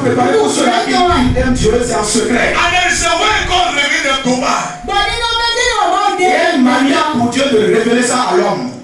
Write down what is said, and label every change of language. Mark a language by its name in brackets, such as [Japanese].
[French] Les choses que Dieu a préparées pour ceux qui aiment Dieu, c'est un secret. [English] And there is a way God revealed them to man. But [French] il a dit non, non, il y a une manière pour Dieu de révéler ça à l'homme.